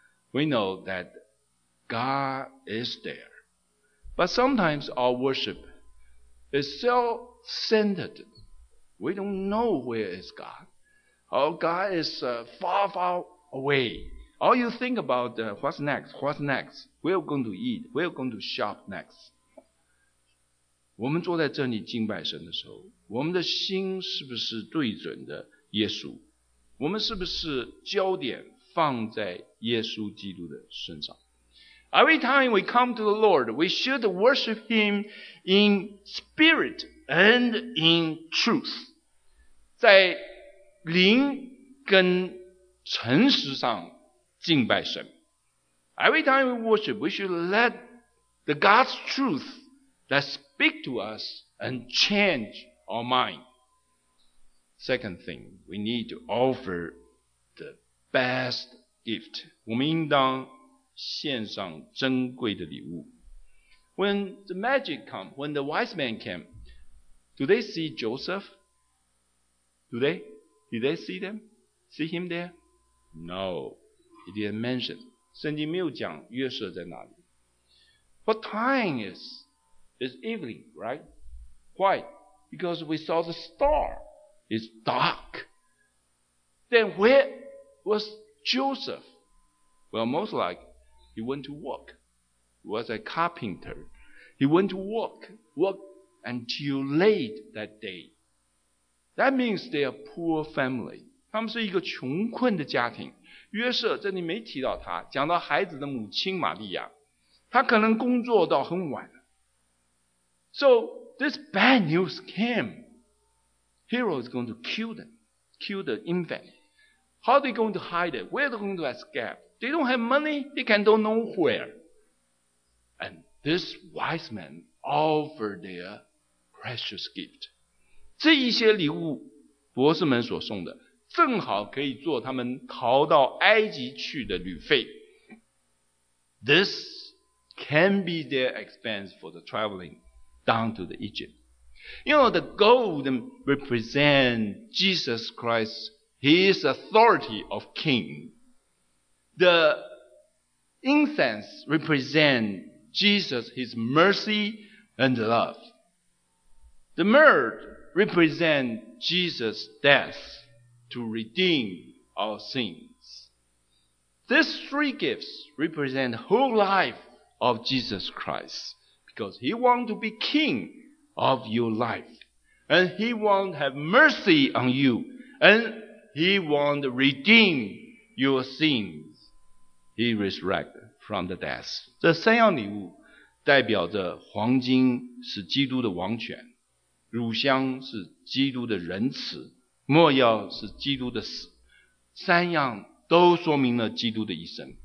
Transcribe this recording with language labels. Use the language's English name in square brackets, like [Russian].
[English] We know that God is there. But sometimes our worship is self-centered. We don't know where is God. Our God is far, far away. All you think about what's next, what's next? We're going to eat, we're going to shop next. [Chinese] 我们坐在这里敬拜神的时候，我们的心是不是对准的耶稣？我们是不是焦点放在耶稣基督的身上？ [English] Every time we come to the Lord, we should worship Him in spirit and in truth. [Chinese] 在灵跟诚实上敬拜神。 [English] Every time we worship, we should let the God's truth that's speak to us and change our mind. Second thing, we need to offer the best gift. [Chinese] 我们应当献上珍贵的礼物。 [English] When the magic come, when the wise man came, do they see Joseph? Do they? Did they see them? See him there? No, he didn't mention. [Chinese] 圣经没有讲约瑟在哪里。 [English] What time is? It's evening, right? Why? Because we saw the star. It's dark. Then where was Joseph? Well, most likely, he went to work. He was a carpenter. He went to work until late that day. That means they are poor family. [Chinese] 他们是一个穷困的家庭。约瑟这里没提到他，讲到孩子的母亲玛利亚，他可能工作到很晚。 [English] So this bad news came. Herod is going to kill them, kill the infant. How are they going to hide it? Where are they going to escape? They don't have money. They can't go nowhere. And this wise man offered their precious gift. [Chinese] 这一些礼物博士们所送的正好可以做他们逃到埃及去的旅费。 [English] This can be their expense for the traveling. Down to the Egypt. You know, the gold represents Jesus Christ, His authority of King. The incense represents Jesus, His mercy and love. The myrrh represents Jesus' death to redeem our sins. These three gifts represent the whole life of Jesus Christ, because he wants to be king of your life, and he wants to have mercy on you, and he wants to redeem your sins. He resurrected from the death. [Chinese] 这三样礼物代表着黄金是基督的王权，乳香是基督的仁慈，末药是基督的死，三样都说明了基督的一生。